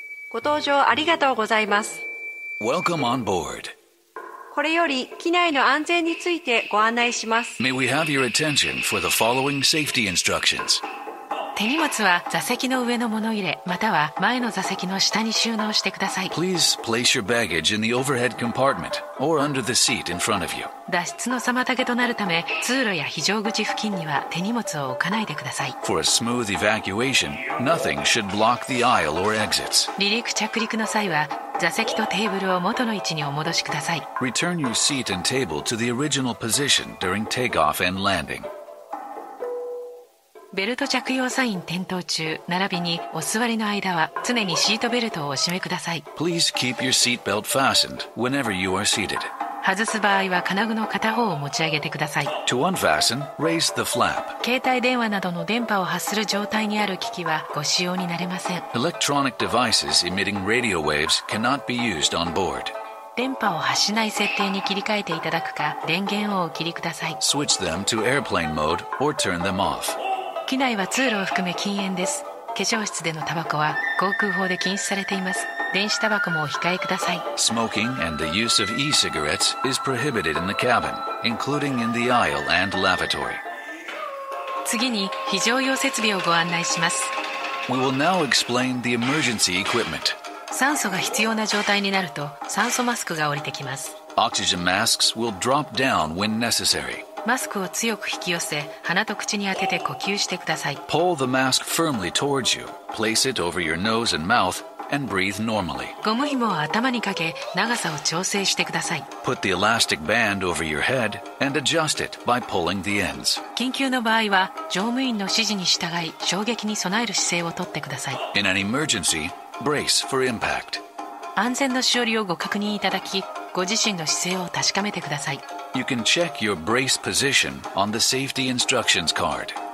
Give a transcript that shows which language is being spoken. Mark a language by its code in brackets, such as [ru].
[ja] ご搭乗ありがとうございます。 [en] Welcome on board. [ja] これより機内の安全についてご案内します。 [en] May we have your attention for the following safety instructions. [ja] 手荷物は座席の上の物入れまたは前の座席の下に収納してください。 [en] Please place your baggage in the overhead compartment or under the seat in front of you. [ja] 脱出の妨げとなるため通路や非常口付近には手荷物を置かないでください。 [en] For a smooth evacuation, nothing should block the aisle or exits. [ja] 離陸着陸の際は座席とテーブルを元の位置にお戻しください。 [en] Return your seat and table to the original position during takeoff and landing. [ja] ベルト着用サイン点灯中並びにお座りの間は常にシートベルトをお締めください。 [en] Please keep your seat belt fastened whenever you are seated. [ja] 外す場合は金具の片方を持ち上げてください。 [en] To unfasten, raise the flap. [ja] 携帯電話などの電波を発する状態にある機器はご使用になれません。 [en] Electronic devices emitting radio waves cannot be used on board. [ja] 電波を発しない設定に切り替えていただくか電源をお切りください。 [en] Switch them to airplane mode or turn them off. [ja] 機内は通路を含め禁煙です。化粧室でのタバコは航空法で禁止されています。電子タバコもお控えください。 [en] Smoking and the use of e-cigarettes is prohibited in the cabin, including in the aisle and lavatory. [ja] 次に非常用設備をご案内します。 [en] We will now explain the emergency equipment. [ja] 酸素が必要な状態になると酸素マスクが降りてきます。 [en] Oxygen masks will drop down when necessary. [ja] マスクを強く引き寄せ鼻と口に当てて呼吸してください。 [en] Pull the mask firmly towards you. Place it over your nose and mouth and breathe normally. [ja] ゴム紐を頭にかけ長さを調整してください。 [en] Put the elastic band over your head and adjust it by pulling the ends. [ja] 緊急の場合は乗務員の指示に従い衝撃に備える姿勢をとってください。 [en] In an emergency, brace for impact. [ja] 安全のしおりをご確認いただき、ご自身の姿勢を確かめてください。 [en] You can check your brace position on the safety instructions card.